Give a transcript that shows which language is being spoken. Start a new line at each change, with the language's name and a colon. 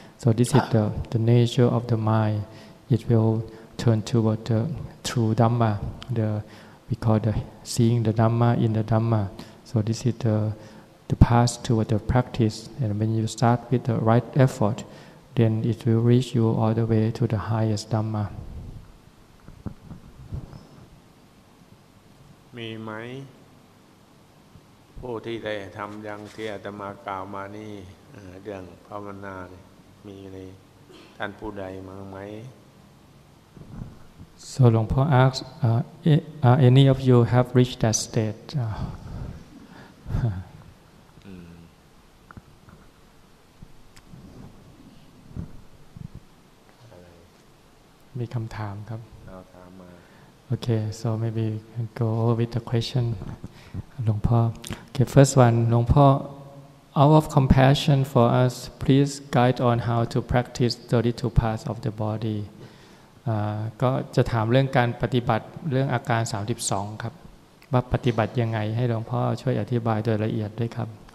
English: So this is the nature of the mind. It will turn toward the true Dhamma. We call the seeing the Dhamma in the Dhamma. So this is the path toward the practice. And when you start with the right effort, then it will reach you all the way to the highest Dhamma.
Thai: มีไหมผู้ที่ได้ทำอย่างที่อาตมากล่าวมานี่เรื่องภาวนามีในท่านผู้ใดมั้งไหม
English: So หลวงพ่อ ask any of you have reached that state
Thai: มีคำถามครับ
English: Okay, so maybe go over with the question, Long Pa. Okay, first one, Long Pa, out of compassion for us, please guide on how to practice 32 parts of the body.
Thai: ก็จะถามเรื่องการปฏิบัติเรื่องอาการ32ครับว่าปฏิบัติยังไงให้หลวงพ่อช่วยอธิบายโดยละเอียดด้วยครับ